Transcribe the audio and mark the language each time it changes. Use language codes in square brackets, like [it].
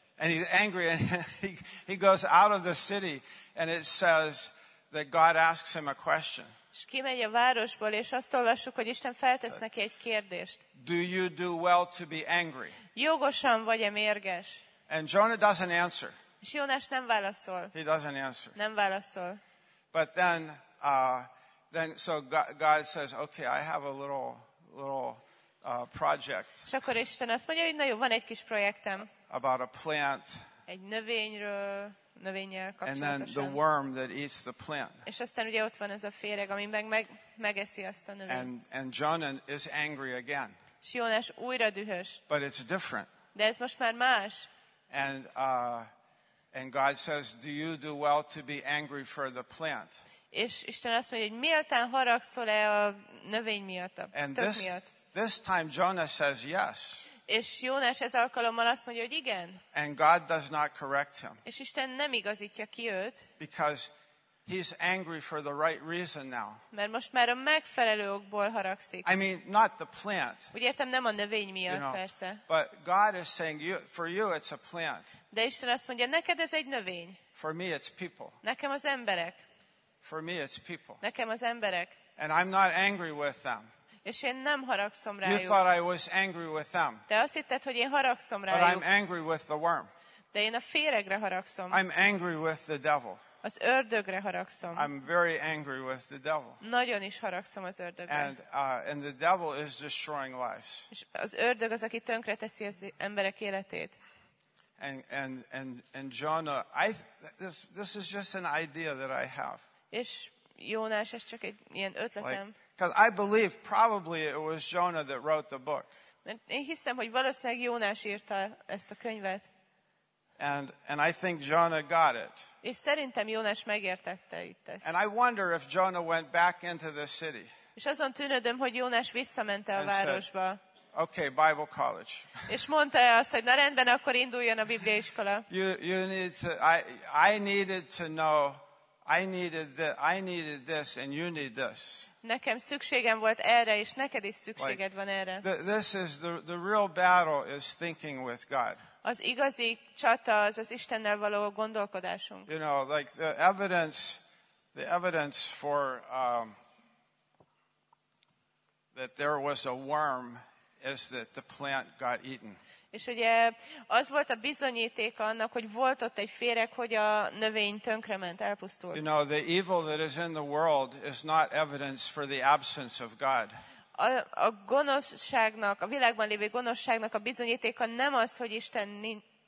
[en] And he's angry, and he goes out of the city, and it says that God asks him a question. [hu] És kimegy a városból, és azt olvassuk, hogy Isten feltesz neki egy kérdést. [en] Do you do well to be angry? [hu] Jogosan vagy-e mérges? [en] And Jonah doesn't answer. [hu] És Jónás nem válaszol. [en] He doesn't answer. [hu] Nem válaszol. [en] But then, so God says, okay, I have a little project. [hu] És akkor Isten azt mondja, hogy na jó, van egy kis projektem. [en] About a plant. [hu] Egy növényről, növénnyel kapcsolatosan. [en] And then the worm that eats the plant. [hu] És aztán ugye ott van ez a féreg, ami megeszi azt a növényt. [en] And Jonah is angry again. [hu] És Jónás újra dühös. [en] But it's different. [hu] De ez most már más. [en] And God says, do you do well to be angry for the plant? [hu] És Isten azt mondja, hogy méltán haragszol-e a növény miatt, a tök miatt? [en] This time Jonah says yes. [hu] És Jónás ez alkalommal azt mondja, hogy igen. [en] And God does not correct him. [hu] És Isten nem igazítja ki őt. [en] Because he's angry for the right reason now. [hu] Mert most már a megfelelő okból haragszik. [en] I mean, not the plant. [hu] Úgy értem, nem a növény miatt, [en] you know, [hu] persze. [en] But God is saying, for you it's a plant. [hu] De Isten azt mondja, neked ez egy növény. [en] For me it's people. [hu] Nekem az emberek. [en] For me it's people. [hu] Nekem az emberek. [en] And I'm not angry with them. [hu] És én nem haragszom rájuk. [en] You thought I was angry with them. [hu] De azt hitted, hogy én haragszom rájuk. [en] But I'm angry with the worm. [hu] De én a féregre haragszom. [en] I'm angry with the devil. [hu] Az ördögre haragszom. [en] I'm very angry with the devil. [hu] Nagyon is haragszom az ördögre. [en] And the devil is destroying lives. [hu] És az ördög az, aki tönkreteszi az emberek életét. [en] And Jonah, this is just an idea that I have. [hu] És Jónás, ez csak egy ilyen ötletem. [en] Like, because I believe probably it was Jonah that wrote the book. [hu] Én hiszem, hogy valószínűleg Jónás írta ezt a könyvet. [en] And I think Jonah got it. [hu] És szerintem Jónás megértette itt ezt. [en] And I wonder if Jonah went back into the city. [hu] És azon tűnődöm, hogy Jónás visszamente a városba. [en] Okay, Bible college. [hu] És mondta azt, hogy na rendben, akkor induljon a Biblia iskola. [en] You need to, I needed this and you need this. [hu] Nekem szükségem volt erre, és neked is szükséged van erre. [en] This is the real battle is thinking with God. [hu] Az igazi csata az Istennel való gondolkodásunk. [en] You know, like the evidence for that there was a worm is that the plant got eaten. [hu] És ugye az volt a bizonyíték annak, hogy volt ott egy féreg, hogy a növény tönkrement, elpusztult. [en] You know, the evil that is in the world is not evidence for the absence of God. [hu] A gonoszságnak, a világban lévő gonoszságnak a bizonyítéka nem az, hogy Isten nincs.